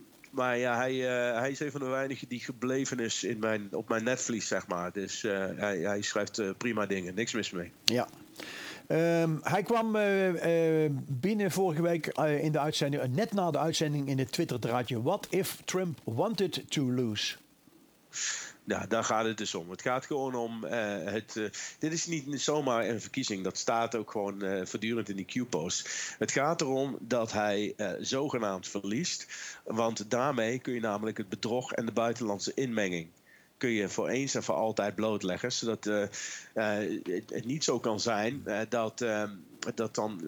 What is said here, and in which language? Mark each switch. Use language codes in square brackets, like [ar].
[nl] Maar ja, hij is een van de weinigen die gebleven is op mijn netvlies, zeg maar. Dus hij schrijft prima dingen, niks mis mee. Ja. Hij kwam binnen vorige week in de uitzending, net na de uitzending in het Twitter-draadje. [en] What if Trump wanted to lose? [nl] Ja, daar gaat het dus om. Het gaat gewoon om dit is niet zomaar een verkiezing. Dat staat ook gewoon voortdurend in die Q-post. Het gaat erom dat hij zogenaamd verliest. Want daarmee kun je namelijk het bedrog en de buitenlandse inmenging kun je voor eens en voor altijd blootleggen, zodat het niet zo kan zijn dat dan.